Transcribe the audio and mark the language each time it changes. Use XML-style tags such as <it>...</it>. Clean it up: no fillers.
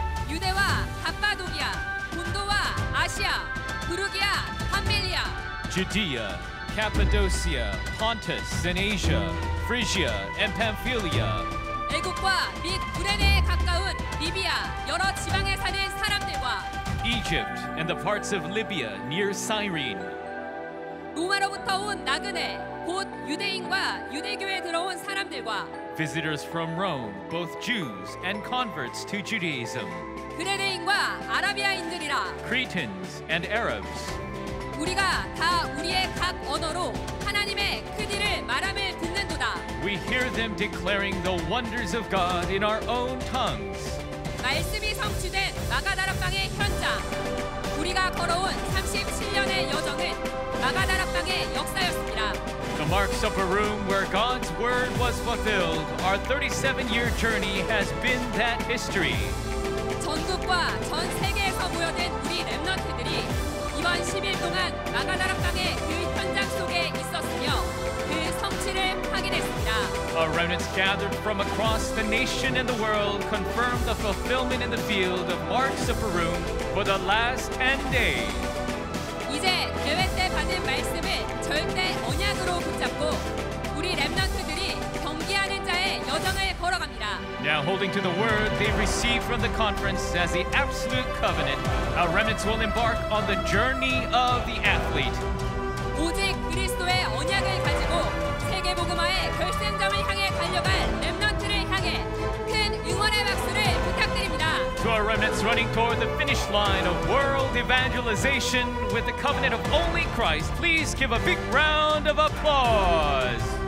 <ko>유대와 갑바도기아, 본도와 아시아, 부르기아, 팜빌리아.</ko> <en>Judea, Cappadocia, Pontus and Asia, Phrygia and Pamphylia.</en> <ko>애굽과 및 구레네에 가까운 리비아, 여러 지방에 사는 사람들과</ko> <en>Egypt and the parts of Libya near Cyrene.</en> <ko>로마로부터 온 나그네, 곧 유대인과 유대교에 들어온 사람들과</ko> <en>Visitors from Rome, both Jews and converts to Judaism.</en> <ko>그레네인과 아라비아인들이라</ko> <en>Cretans and Arabs.</en> <ko>우리가 다 우리의 각 언어로 하나님의 큰 일을 말함을 듣는도다.</ko> <en>We hear them declaring the wonders of God in our own tongues.</en> <ko>말씀이 성취된 마가다락방의 현장. 우리가 걸어온 37년의 여정은 마가다락방의 역사였습니다.</ko> <en>The marks of a room where God's word was fulfilled. Our 37-year journey has been that history.</en> <ko>전국과 전 세계에서 모여든 우리 렘넌트들이 이번 10일 동안 마가다락방의 그 현장 속에 있었으며 그 성취를 확인했습니다.</ko> <en>Our remnants gathered from across the nation and the world confirmed the fulfillment in the field of Mark Zipperoon for the last 10 days.</en> <ko>이제 계획 때 받은 말씀을 절대 언약으로 붙잡고 우리 렘넌트들이 경기하는 자의 여정을 걸어갑니다.</ko> <en>Now holding to the word they received from the conference as the absolute covenant, our remnants will embark on the journey of the athlete.</en> <ko>오직 그리스도의 언약을 가지고 세계복음화의 결승점을 향해 달려갈 렘넌트를 향해 큰 응원의 박수를 부탁드립니다.</ko> <en>To our remnants running toward the finish line of world evangelization with the covenant of only Christ, please give a big round of applause.</en>